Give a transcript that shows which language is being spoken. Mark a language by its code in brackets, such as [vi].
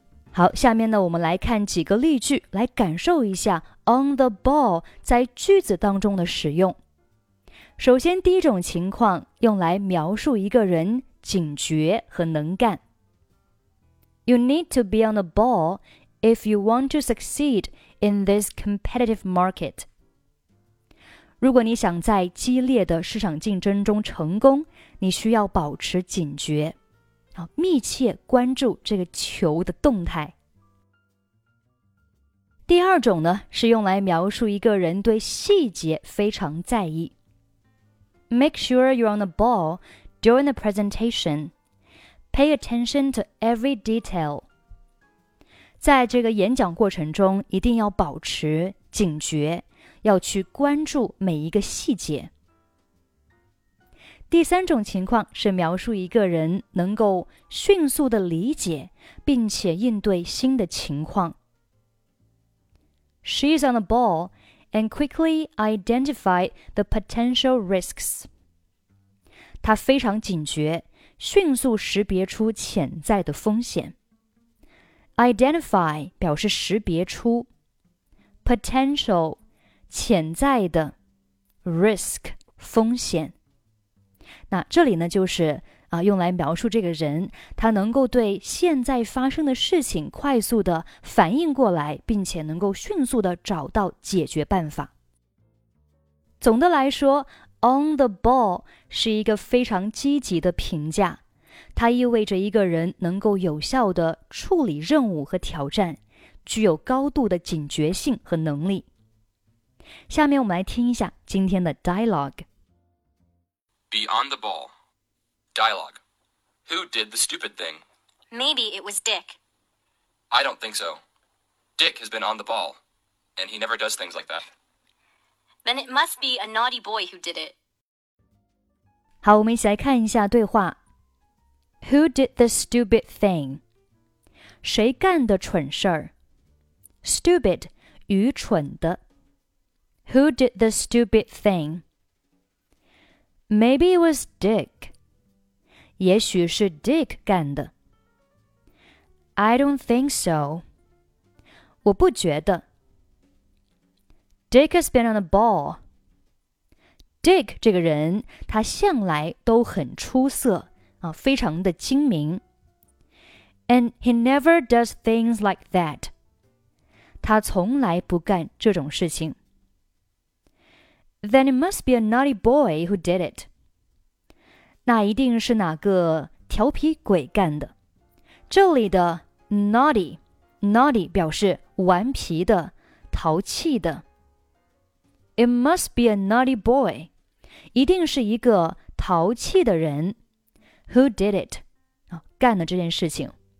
[zh] 好，下面呢，我们来看几个例句，来感受一下 [en] on the ball [zh] 在句子当中的使用。首先，第一种情况用来描述一个人警觉和能干。 [en] You need to be on the ball if you want to succeed in this competitive market. [zh] 如果你想在激烈的市场竞争中成功，你需要保持警觉，密切关注这个球的动态。第二种呢，是用来描述一个人对细节非常在意。 [en] Make sure you're on the ball during the presentation. Pay attention to every detail. [zh] 在这个演讲过程中，一定要保持警觉，要去关注每一个细节。第三种情况是描述一个人能够迅速地理解并且应对新的情况。 [en] She's on the ball and quickly identified the potential risks. [zh] 她非常警觉，迅速识别出潜在的风险。 Identify 表示识别出， Potential 潜在的， Risk 风险。那这里呢，就是用来描述这个人，他能够对现在发生的事情快速地反应过来，并且能够迅速地找到解决办法。总的来说 ， [en] on the ball [zh] 是一个非常积极的评价，它意味着一个人能够有效地处理任务和挑战，具有高度的警觉性和能力。下面我们来听一下今天的 dialogue。 [en] Be on the ball. Dialogue. Who did the stupid thing? Maybe it was Dick. I don't think so. Dick has been on the ball, and he never does things like that. Then it must be a naughty boy who did it. [zh] 好，我们一起来看一下对话。 [en] Who did the stupid thing? [zh] 谁干的蠢事儿？ [en] Stupid, [zh] 愚蠢的。 [en] Who did the stupid thing? Maybe it was Dick. [zh] 也许是 Dick 干的。 [en] I don't think so. [zh] 我不觉得。 [en] Dick has been on the ball. [zh] Dick 这个人，他向来都很出色，非常的精明。 [en] And he never does things like that. [zh] 他从来不干这种事情。 [en] Then it must be a naughty boy who did it. [zh] 那一定是哪个调皮鬼干的。这里的 naughty 表示顽皮的、淘气的。 [en] It must be a naughty boy. [zh] 一定是一个淘气的人。 [en] Who did it? [zh] 干了这件事情。